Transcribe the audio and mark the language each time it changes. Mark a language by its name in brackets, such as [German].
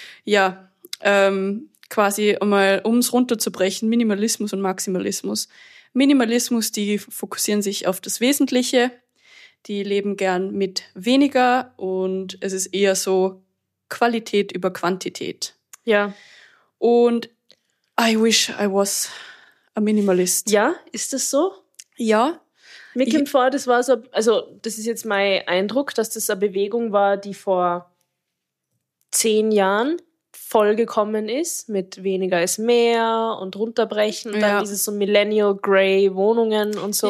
[German] Ja, quasi einmal, um es runterzubrechen, Minimalismus und Maximalismus. Minimalismus, die fokussieren sich auf das Wesentliche, die leben gern mit weniger und es ist eher so Qualität über Quantität. Ja. Und [English] I wish I was a minimalist. [German] Ja, ist das so? Ja. Mir kommt vor, das war so, also das ist jetzt mein Eindruck, dass das eine Bewegung war, die vor 10 Jahren vollgekommen ist, mit weniger ist mehr und runterbrechen und dann dieses so Millennial-Grey-Wohnungen und so.